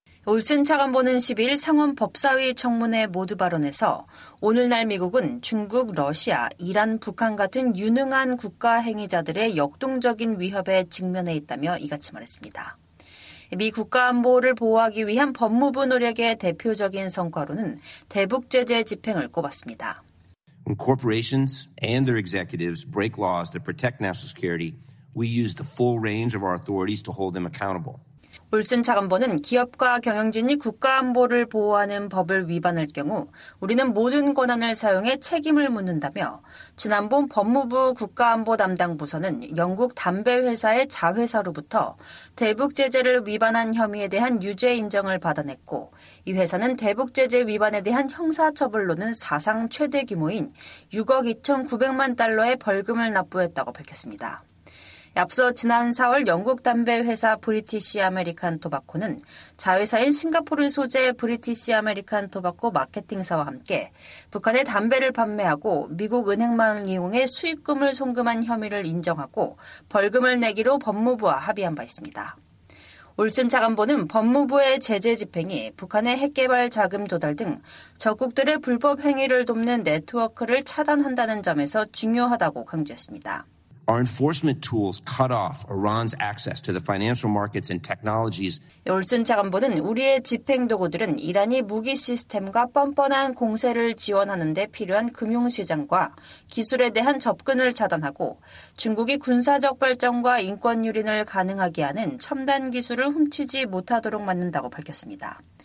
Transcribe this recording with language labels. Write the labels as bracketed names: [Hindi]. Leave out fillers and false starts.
[Korean] 올슨 차관보는 10일 상원 법사위 청문회 모두 발언에서 오늘날 미국은 중국, 러시아, 이란, 북한 같은 유능한 국가 행위자들의 역동적인 위협에 직면해 있다며 이같이 말했습니다. 미 국가안보를 보호하기 위한 법무부 노력의 대표적인 성과로는 대북 제재 집행을 꼽았습니다. [English] When corporations and their executives break laws that protect national security, we use the full range of our authorities to hold them accountable. [Korean] 올슨 차관보는 기업과 경영진이 국가안보를 보호하는 법을 위반할 경우 우리는 모든 권한을 사용해 책임을 묻는다며 지난번 법무부 국가안보 담당 부서는 영국 담배회사의 자회사로부터 대북 제재를 위반한 혐의에 대한 유죄 인정을 받아냈고 이 회사는 대북 제재 위반에 대한 형사처벌로는 사상 최대 규모인 6억 2,900만 달러의 벌금을 납부했다고 밝혔습니다. 앞서 지난 4월 영국 담배회사 브리티시 아메리칸 토바코는 자회사인 싱가포르 소재 브리티시 아메리칸 토바코 마케팅사와 함께 북한에 담배를 판매하고 미국 은행망을 이용해 수익금을 송금한 혐의를 인정하고 벌금을 내기로 법무부와 합의한 바 있습니다. 올슨 차관보는 법무부의 제재 집행이 북한의 핵개발 자금 조달 등 적국들의 불법 행위를 돕는 네트워크를 차단한다는 점에서 중요하다고 강조했습니다. [English] Our enforcement tools cut off Iran's access to the financial markets and technologies. [Korean] 올슨 차관보는 우리의 집행 도구들은 이란이 무기 시스템과 뻔뻔한 공세를 지원하는 데 필요한 금융 시장과 기술에 대한 접근을 차단하고 중국이 군사적 발전과 인권 유린을 가능하게 하는 첨단 기술을 훔치지 못하도록 만든다고 밝혔습니다.